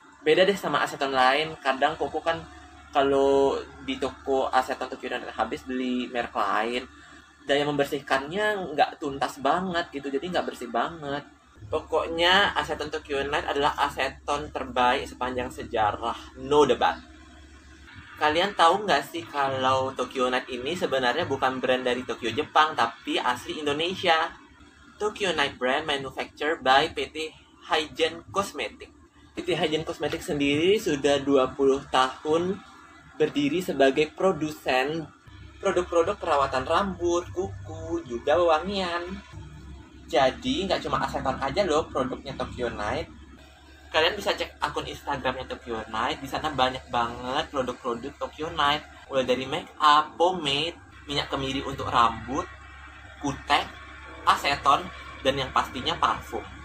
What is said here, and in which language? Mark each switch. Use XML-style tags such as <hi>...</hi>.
<id>Beda deh sama aseton lain. Kadang Koko kan kalau di toko aseton Tokyo Night habis beli merek lain, daya membersihkannya nggak tuntas banget gitu, jadi nggak bersih banget. Pokoknya aseton Tokyo Night adalah aseton terbaik sepanjang sejarah, no debat. Kalian tahu nggak sih kalau Tokyo Night ini sebenarnya bukan brand dari Tokyo Jepang, tapi asli Indonesia.</id> <en>Tokyo Night brand manufactured by PT Hygiene Cosmetic.</en> <id>PT Hygiene Cosmetic sendiri sudah 20 tahun berdiri sebagai produsen produk-produk perawatan rambut, kuku, juga wewangian. Jadi nggak cuma aseton aja loh produknya Tokyo Night. Kalian bisa cek akun Instagramnya Tokyo Night, di sana banyak banget produk-produk Tokyo Night, mulai dari make up, pomade, minyak kemiri untuk rambut, kutek, aseton, dan yang pastinya parfum.</id>